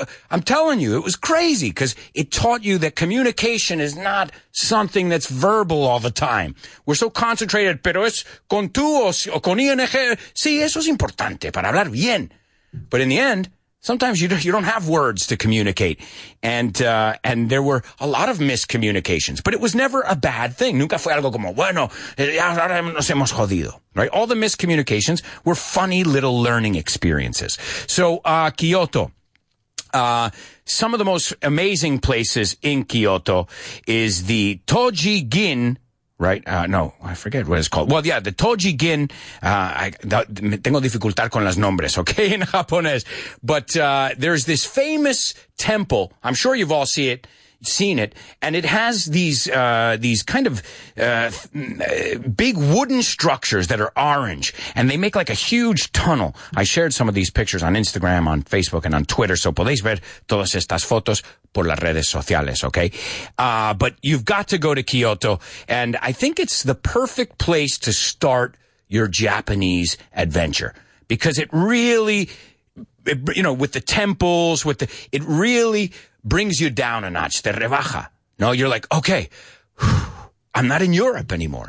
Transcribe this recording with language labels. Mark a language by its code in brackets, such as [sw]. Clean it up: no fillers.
[en] I'm telling you, it was crazy because it taught you that communication is not something that's verbal all the time. We're so concentrated. [es] Pero es con tú o con ING. Sí, eso es importante para hablar bien. [en] But in the end, sometimes you don't have words to communicate. And there were a lot of miscommunications, but it was never a bad thing. [es] Nunca fue algo como, bueno, ahora nos hemos jodido. [en] Right? All the miscommunications were funny little learning experiences. So, Kyoto. Some of the most amazing places in Kyoto is the Toji Gin, right? No, I forget what it's called. Well, yeah, the Toji Gin, [es] tengo dificultad con las nombres, [en] okay, in Japanese. But, there's this famous temple. I'm sure you've all seen it. And it has these kind of, big wooden structures that are orange. And they make like a huge tunnel. I shared some of these pictures on Instagram, on Facebook, and on Twitter. [es] So podéis ver todas estas fotos por las redes sociales, okay? [en] But you've got to go to Kyoto. And I think it's the perfect place to start your Japanese adventure. Because it really, with the temples, it really brings you down a notch, [es] te rebaja. [en] No, you're like, okay, I'm not in Europe anymore.